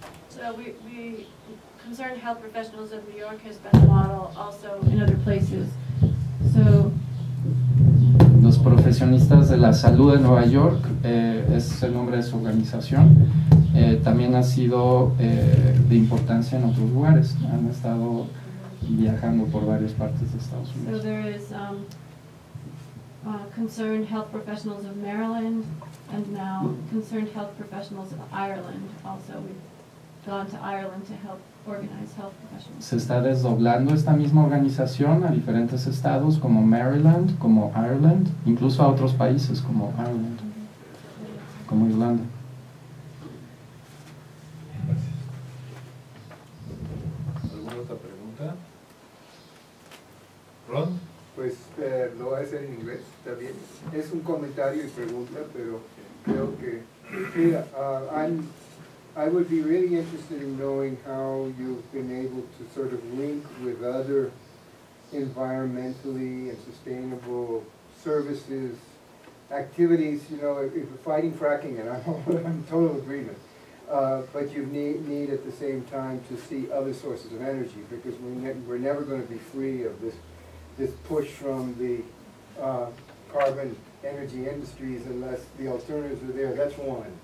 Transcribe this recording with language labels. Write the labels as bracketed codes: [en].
[en] So we concerned health professionals in New York has been a model also in other places. So [es] los profesionistas de la salud de Nueva York, es el nombre de su organización, también ha sido de importancia en otros lugares. Han estado viajando por varias partes de Estados Unidos. [en] So there is concerned health professionals of Maryland, and now concerned health professionals of Ireland also. Gone to Ireland to help organize health professionals. [es] Se está desdoblando esta misma organización a diferentes estados como Maryland, como Ireland, incluso a otros países como Ireland, como Irlanda. ¿Alguna otra pregunta? Ron? Pues lo voy a hacer en inglés también. Es un comentario y pregunta, pero creo que... [en] I would be really interested in knowing how you've been able to sort of link with other environmentally and sustainable services, activities, you know, if fighting fracking, and I'm total agreement, but you need at the same time to see other sources of energy, because we're never going to be free of this push from the carbon energy industries unless the alternatives are there. That's one.